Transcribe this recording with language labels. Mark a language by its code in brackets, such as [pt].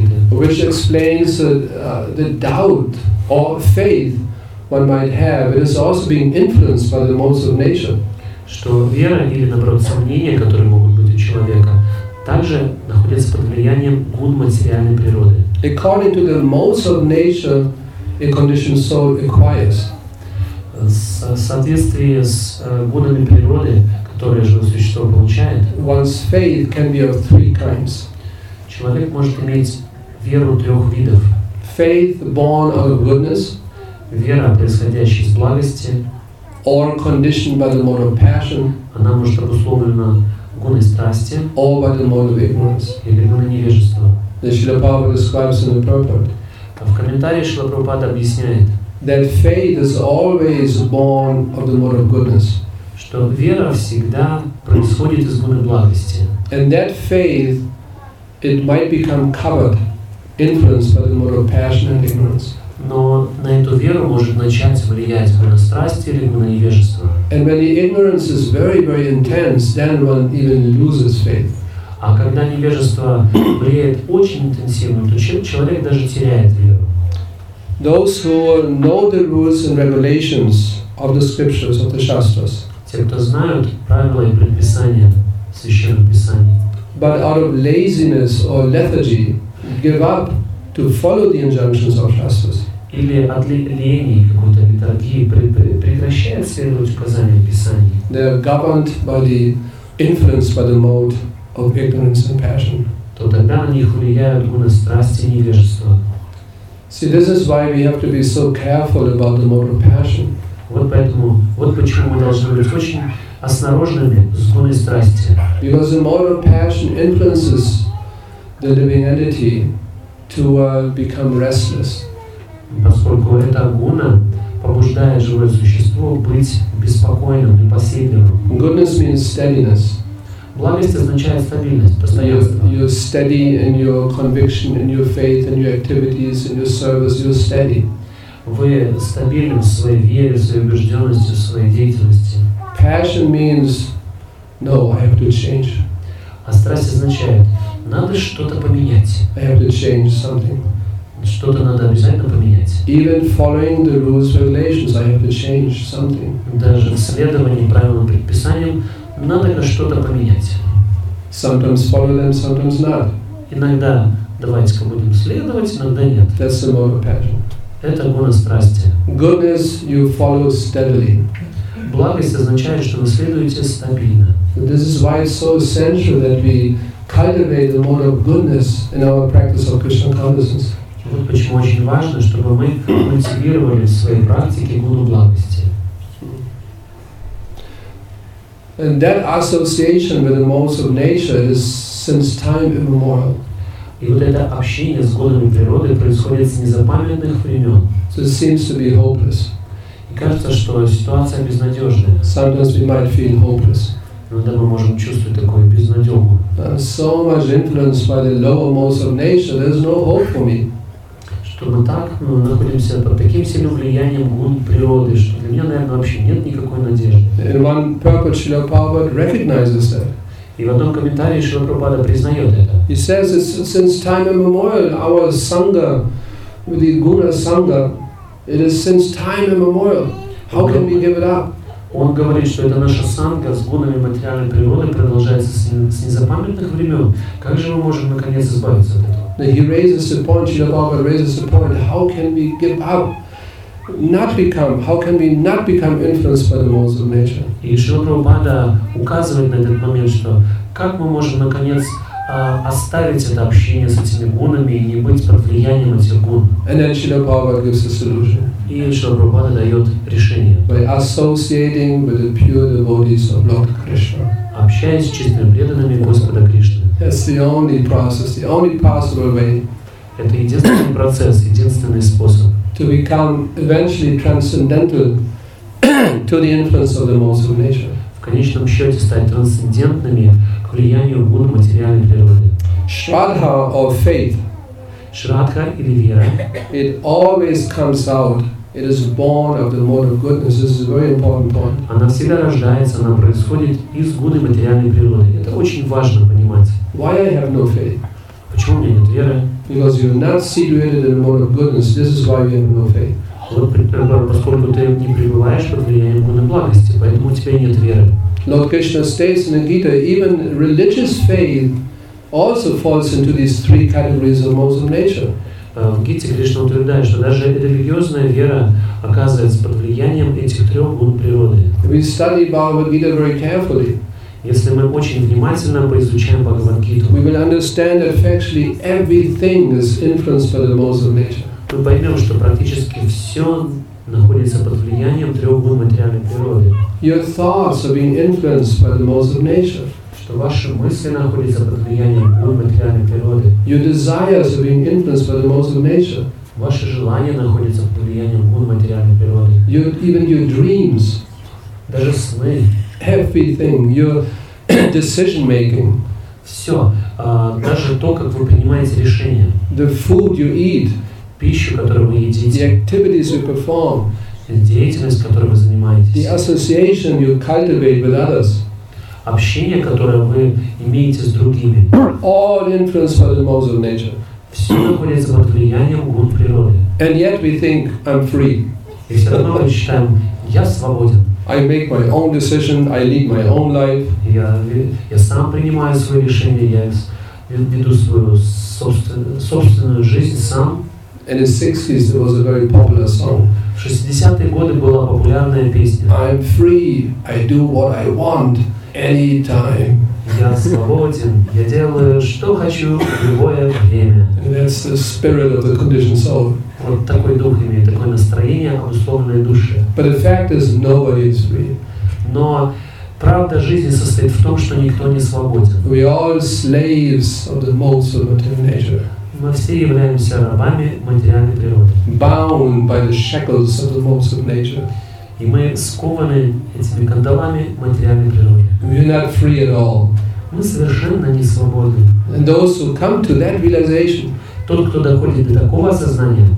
[en] Which explains the doubt or faith one might have. It is also being influenced by the modes of nature. [ru] что вера или, наоборот, сомнения, которые могут быть у человека, также находятся под влиянием гун материальной природы. [en] According to the modes of nature, a conditioned soul acquires. [ru] В соответствии с гунами природы, которые живое существо получает, [en] one's faith can be of three kinds. [ru] Человек может иметь веру трех видов. [en] Faith born out of goodness, [ru] вера, происходящая из благости, [en] or conditioned by the mode of passion, [ru] она может обусловлена гуной страсти, [en] or by the mode of ignorance, [ru] или гуной невежества. [en] The Śrīla Prabhupāda describes in the purport. [ru] В комментарии Śrīla Prabhupāda объясняет, [en] that faith is always born of the mode of goodness, [ru] что вера всегда происходит из гуны благости. [en] And that faith, it might become covered, influenced by the mode of passion and ignorance. [ru] Но на эту веру может начать влиять гуна страсти или гуна невежества. [en] And when the ignorance is very, very intense, then one even loses faith. [ru] А когда невежество влияет очень интенсивно, то человек даже теряет веру. [en] Those who know the rules and regulations of the scriptures, of the shastras, [ru] те, кто знают правила и предписания священных писаний, [en] but out of laziness or lethargy, give up to follow the injunctions of shastras, [ru] или от лени какой-то литургии прекращают следовать указаниям писаний, [en] they are governed by the influence by the mode of ignorance and passion, [ru] то тогда на них влияют гуны страсти и невежества. [en] See, this is why we have to be so careful about the mode of passion. [ru] Вот почему мы должны быть очень осторожными с гуной страсти. [en] Because the mode of passion influences the living entity to become restless. [ru] Поскольку эта гуна побуждает живое существо быть беспокойным, непоседливым. [en] Goodness means steadiness. [ru] Благость означает стабильность, постоянство. [en] You're steady in your conviction, in your faith, in your activities, in your service, you're steady. [ru] Вы стабильны в своей вере, в своей убежденности, в своей деятельности. [en] Passion means, no, I have to change. [ru] А страсть означает, надо что-то поменять. [en] I have to change something. [ru] Что-то надо обязательно поменять. [en] Even following the rules and regulations, I have to change something. [ru] Даже в следовании правилам и предписаниям, надо что-то поменять. [en] Sometimes follow them, sometimes not. [ru] Иногда давайте-ка будем следовать, иногда нет. [en] That's the mode of passion. [ru] Это гуна страсти. [en] Goodness you follow steadily. [ru] Благость означает, что вы следуете стабильно. [en] This is why it's so essential that we cultivate the mode of goodness in our practice of Krishna consciousness. [ru] Вот почему очень важно, чтобы мы культивировали в своей практике гуну благости. [en] And that association with the modes of nature is since time immemorial. [ru] И вот это общение с гунами природы происходит с незапамятных времен. [en] So it seems to be hopeless. [ru] И кажется, что ситуация безнадежная. [en] Sometimes we might feel hopeless. [ru] Иногда мы можем чувствовать такую безнадегу. [en] And so much influenced by the lower modes of nature, there's no hope for me. [ru] Что мы так, мы находимся под таким сильным влиянием гун природы, что для меня, наверное, вообще нет никакой надежды. [en] In one purport, Śrīla Prabhupāda recognizes that. [ru] И в одном комментарии Śrīla Prabhupāda признает это. [en] He says that since time immemorial, our sangha, the guna sangha, it is since time immemorial. How can we give it up? [ru] Он говорит, что это наша сангха с гунами материальной природы продолжается с незапамятных времен. Как же мы можем наконец избавиться от этого? [en] He raises the point, Śrīla Prabhupāda raises the point, how can we give up, not become, how can we not become influenced by the modes of nature? [ru] И Śrīla Prabhupāda указывает на этот момент, что как мы можем, наконец, оставить это общение с этими гунами и не быть под влиянием этих гун. [en] And then Śrīla Prabhupāda gives a solution. [ru] И Śrīla Prabhupāda дает решение. [en] By associating with the pure devotees of Lord Krishna. [ru] Общаясь с чистыми преданными Господа Кришны. [en] That's the only process, the only possible way. [ru] Это единственный процесс, единственный способ. [en] To become eventually transcendental to the influence of the modes of nature. [ru] В конечном счете стать трансцендентными к влиянию гун материальной природы. [en] Shraddha or faith. [ru] Shraddha или вера. [en] It always comes out. It is born of the mode of goodness. This is a very important point. [ru] Она всегда рождается, она происходит из гуны материальной природы. Это очень важно понимать. [en] Why I have no faith? [ru] Почему у меня нет веры? [en] Because you're not situated in the mode of goodness. This is why you have no faith. [ru] Поскольку ты не пребываешь под влиянием гуны благости, поэтому у тебя нет веры. [en] Lord Krishna states in the Gita, even religious faith also falls into these three categories of modes of nature. [ru] В Гите Кришна утверждает, что даже религиозная вера оказывается под влиянием этих трех гун природы. [en] We study Bhagavad Gita very carefully. [ru] Если мы очень внимательно поизучаем Бхагавад-гиту, [en] we will understand that actually everything is influenced by the modes of nature. [ru] Мы поймем, что практически все находится под влиянием трех гун материальной природы. [en] Your thoughts are being influenced by the modes of nature. [ru] Что ваши мысли находятся под влиянием гун материальной природы. [en] Your desires are being influenced by the modes of nature. [ru] Ваши желания находятся под влиянием гун материальной природы. [en] Your, even your dreams. [ru] Даже сны. [en] Everything, your decision making. [ru] Все, даже то, как вы принимаете решения. [en] The food you eat. [ru] Пищу, которую вы едите. [en] The activities you perform. [ru] Деятельность, которой вы занимаетесь. [en] The association you cultivate with others. [ru] Общение, которое вы имеете с другими. [en] All influenced by the modes of nature. [ru] Все находится под влиянием гун природы. [en] And yet we think I'm free. [ru] И все равно мы считаем, я свободен. [en] I make my own decision. I lead my own life. [ru] Я сам принимаю свои решения. Я веду свою собственную жизнь сам. [en] In the 60s, it was a very popular song. [ru] В 60-е годы была популярная песня. [en] I'm free. I do what I want anytime. [ru] Я свободен. Я делаю, что хочу в любое время. [en] That's the spirit of the conditioned soul. [ru] Вот такой дух имеет, такое настроение обусловленной души. [en] But the fact is, nobody is free. [ru] Но правда жизни состоит в том, что никто не свободен. [en] We are all slaves of the modes of material nature. [ru] Мы все являемся рабами материальной природы. [en] Bound by the shackles of the modes of nature. [ru] И мы скованы этими кандалами материальной природы. [en] We are not free at all. [ru] Мы совершенно не свободны. [en] And those who come to that realization. [ru] Тот, кто доходит до такого осознания,